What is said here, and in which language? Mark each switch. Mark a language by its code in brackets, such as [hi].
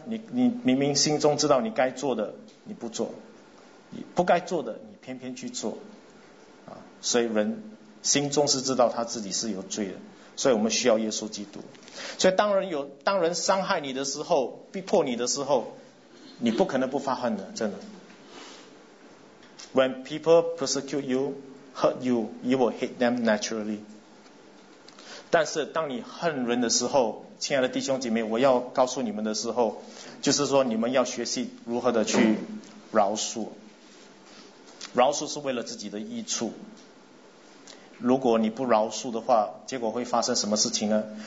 [zh] 你明明心中知道你该做的你不做，你不该做的你偏偏去做，所以人心中是知道他自己是有罪的，所以我们需要耶稣基督。所以当人伤害你的时候，逼迫你的时候，你不可能不发恨的，真的。 [en] When people persecute you, hurt you, you will hate them naturally。 [zh] 但是当你恨人的时候，亲爱的弟兄姐妹，我要告诉你们的时候，就是说你们要学习如何的去饶恕。饶恕是为了自己的益处。如果你不饶恕的话，结果会发生什么事情呢？